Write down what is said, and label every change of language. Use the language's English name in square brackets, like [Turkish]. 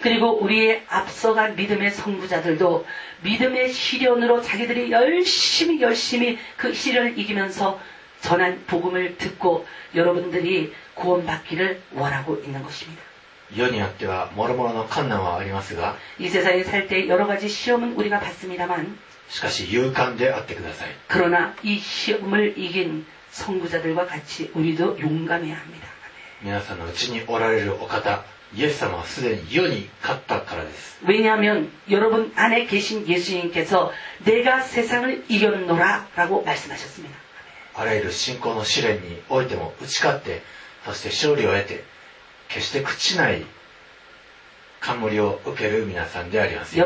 [Korean] 그리고우리의앞서간믿음의선구자들도믿음의시련으로자기들이열심히열심히그시련을이기면서전한복음을듣고여러분들이구원받기를원하고있는것입니다 [Japanese] 世にあってはもろもろの困難はありますが [Korean] 이세상에살때여러가지시험은우리가받습니다만 [Japanese] しかし勇敢であってください [Korean] 그러나이시험을이긴선구자들과같이우리도용감해야합니다 [Japanese] 皆さんのうちにおられるお方イエス様はすでに世に勝ったからです [Korean] 왜냐하면여러분안에계신예수님께서내가세상을이겼노라라고말씀하셨습니다 [Japanese] あらゆる信仰の試練においても打ち勝ってそして勝利を得て決して朽ちない冠を受ける皆さんであります